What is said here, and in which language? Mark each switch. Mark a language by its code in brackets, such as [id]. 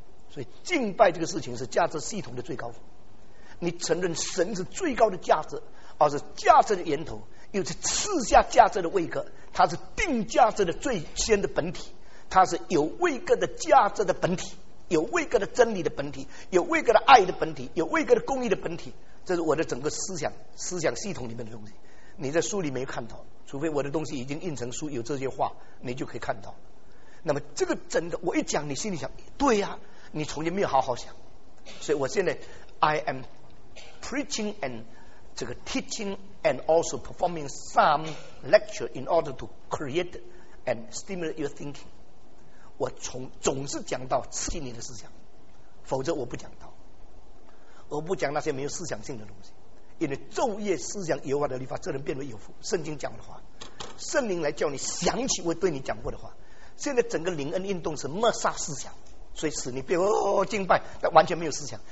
[zh] 所以敬拜这个事情是价值系统的最高峰。你承认神是最高的价值，而是价值的源头，又是赐下价值的位格，它是定价值的最先的本体，它是有位格的价值的本体，有位格的真理的本体，有位格的爱的本体，有位格的公义的本体。这是我的整个思想系统里面的东西，你在书里没看到，除非我的东西已经印成书有这些话你就可以看到。那么这个真的我一讲你心里想，对呀，你从前没有好好想。所以我现在 [en] I am preaching and 这个 teaching and also performing some lecture in order to create and stimulate your thinking. [zh] 我总是讲到刺激你的思想，否则我不讲到，我不讲那些没有思想性的东西。因为昼夜思想耶和华的律法，这人变为有福。圣经讲的话，圣灵来叫你想起我对你讲过的话。现在整个灵恩运动是抹杀思想，所以使你变敬拜，但完全没有思想。